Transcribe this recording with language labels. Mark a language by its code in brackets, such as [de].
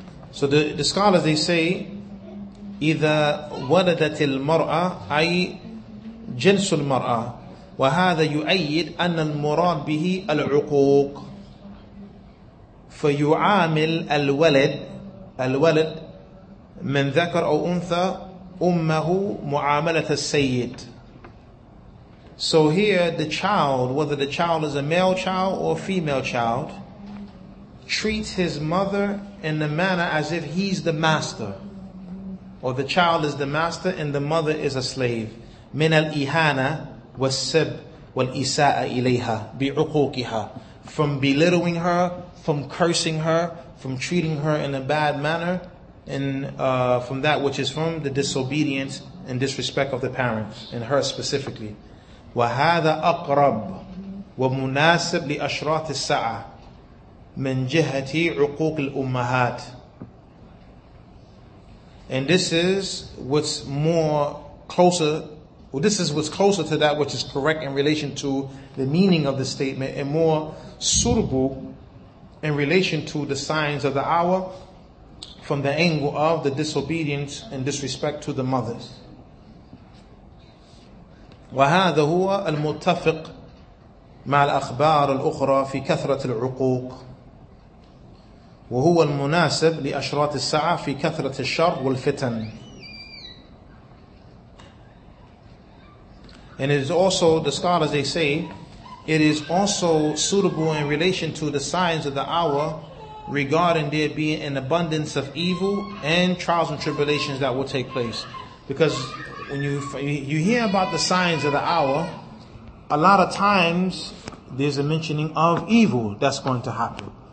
[en] So the scholars, they say, [ar] إذا ولدت المرأة أي جنس المرأة وهذا يؤيد أن المراد به العقوق فيعامل الولد الولد من ذكر أو أنثى أمه معاملة السيد. [en] So here the child, whether the child is a male child or a female child, treats his mother in the manner as if he's the master, or the child is the master and the mother is a slave. [ar] من الإهانة والسب والإساءة إليها بعقوقها. [en] From belittling her, from cursing her, from treating her in a bad manner, and from that which is from the disobedience and disrespect of the parents, and her specifically. [ar] وهذا أقرب ومناسب لأشراط الساعة من جهة عقوق الأمهات. [en] And this is what's more closer, well, this is what's closer to that which is correct in relation to the meaning of the statement, and more suitable in relation to the signs of the hour from the angle of the disobedience and disrespect to the mothers. [ar] وهذا هو المتفق مع الأخبار الأخرى في كثرة العقوق وهو المناسب لأشراط الساعة في كثرة الشر والفتن. [en] And it is also, the scholars, they say, it is also suitable in relation to the signs of the hour regarding there being an abundance of evil and trials and tribulations that will take place. Because when you hear about the signs of the hour, a lot of times there's a mentioning of evil that's going to happen.